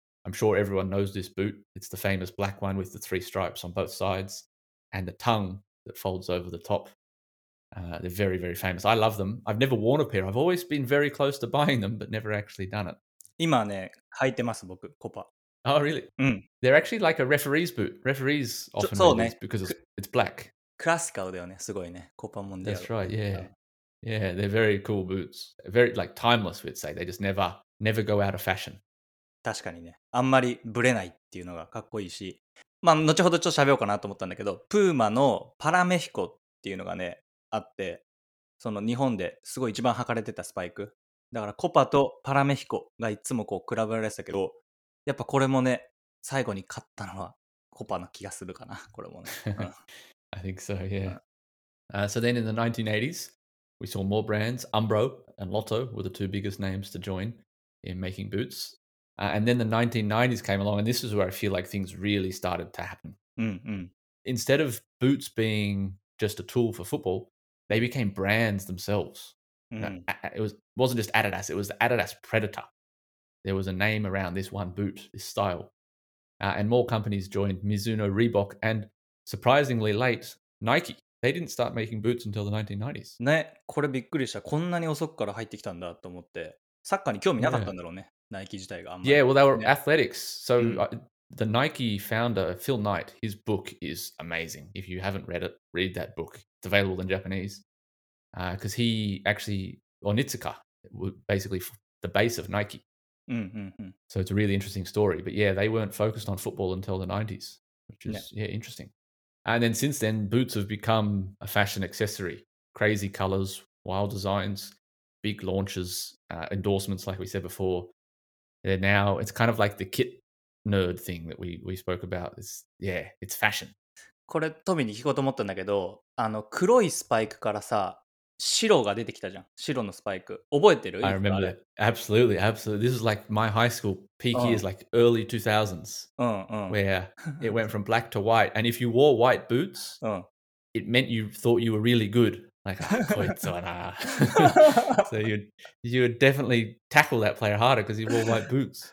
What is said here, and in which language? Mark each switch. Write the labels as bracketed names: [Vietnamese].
[English] I'm sure everyone knows this boot. It's the famous black one with the three stripes on both sides and the tongue that folds over the top. They're very, very famous. I love them. I've never worn a pair. I've always been very close to buying them, but never actually done it. [Japanese] 今ね、履いてます、僕、コパ。 [English] Oh, really? They're actually like a referee's boot. Referees often wear these because it's black. [Japanese] クラシカルだよね、すごいね、コパモンデア。 [English] That's right, yeah. Yeah, they're very cool boots. Very, like, timeless, we'd say. They just never go out of fashion. [Japanese] 確かにね。あんまりブレないっていうのがかっこいいし。まあ、後ほどちょっと喋ようかなと思ったんだけど、プーマのパラメヒコっていうのがね、あって、その日本ですごい一番履かれてたスパイク。だからコパとパラメヒコがいつもこう比べられてたけど、やっぱこれもね、最後に買ったのはコパの気がするかな、これもね。 [English] I think so, yeah. So then in the 1980s,We saw more brands. Umbro and Lotto were the two biggest names to join in making boots. And then the 1990s came along, and this is where I feel like things really started to happen. Instead of boots being just a tool for football, they became brands themselves. It wasn't just Adidas, it was the Adidas Predator. There was a name around this one boot, this style. And more companies joined Mizuno, Reebok, and surprisingly late, Nike. They didn't start making boots until the 1990s. [Japanese] ね、これびっくりした。こんなに遅くから入ってきたんだと思って、サッカーに興味なかったんだろうね。ナイキ自体があんまり。 [English] Yeah, well, they were athletics. So, the Nike founder, Phil Knight, his book is amazing. If you haven't read it, read that book. It's available in Japanese. Because he actually, Onitsuka, basically the base of Nike. So it's a really interesting story. But yeah, they weren't focused on football until the 90s, which is, yeah, interesting. And then since then, boots have become a fashion accessory. Crazy colors, wild designs, big launches, endorsements, like we said before. They're now, it's kind of like the kit nerd thing that we spoke about. It's fashion. [Japanese] これ、トミーに聞こうと思ったんだけど、あの黒いスパイクからさ、白が出てきたじゃん。白のスパイク。覚えてる？ [English] I remember that. Absolutely, absolutely. This is like my high school peak years, like early 2000s, where it went from black to white. And if you wore white boots, it meant you thought you were really good. [Japanese] Like, こいつはな。 [English] So you would definitely tackle that player harder because he wore white boots.